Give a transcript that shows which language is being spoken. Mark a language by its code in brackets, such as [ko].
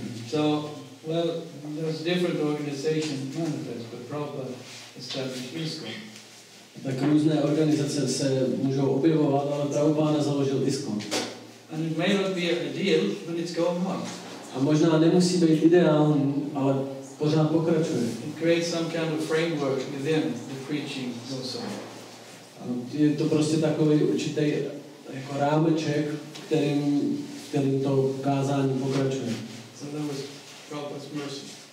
[en] So, well, there's different organizations manifest, but Prabhupada established ISKCON. [cs] Tak různé organizace se můžou objevovat, ale Prabhupada založil ISKCON. [en] And it may not be ideal, but it's going on. [cs] A možná nemusí být ideální, ale pořád pokračuje. [en] It creates some kind of framework within the preaching also. [cs] Je to prostě takový určitý jako rámeček, kterým to kázání pokračuje. [en] So that was Prabhupada's mercy.